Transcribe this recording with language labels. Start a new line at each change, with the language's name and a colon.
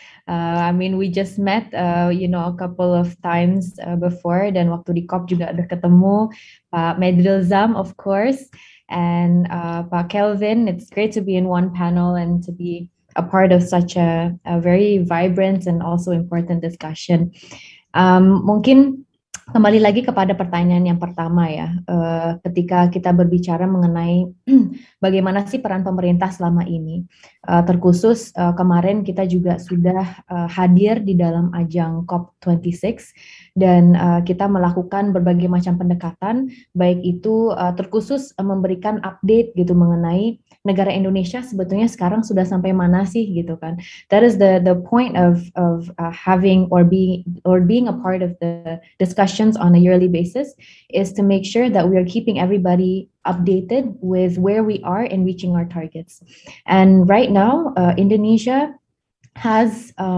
English: I mean, we just met, you know, a couple of times before.
Indonesian: Dan waktu di COP juga ada ketemu Pak Medril Zam,
English: of course,
Indonesian: and Pak Kelvin.
English: It's great to be in one panel and to be a part of such a very vibrant and also important discussion.
Indonesian: Mungkin kembali lagi kepada pertanyaan yang pertama ya, ketika kita berbicara mengenai bagaimana sih peran pemerintah selama ini, terkhusus kemarin kita juga sudah hadir di dalam ajang COP26 dan kita melakukan berbagai macam pendekatan, baik itu terkhusus memberikan update gitu mengenai negara Indonesia sebetulnya sekarang sudah sampai mana sih gitu kan.
English: That is the point of having or being a part of the discussions on a yearly basis, is to make sure that we are keeping everybody updated with where we are in reaching our targets. And right now, Indonesia has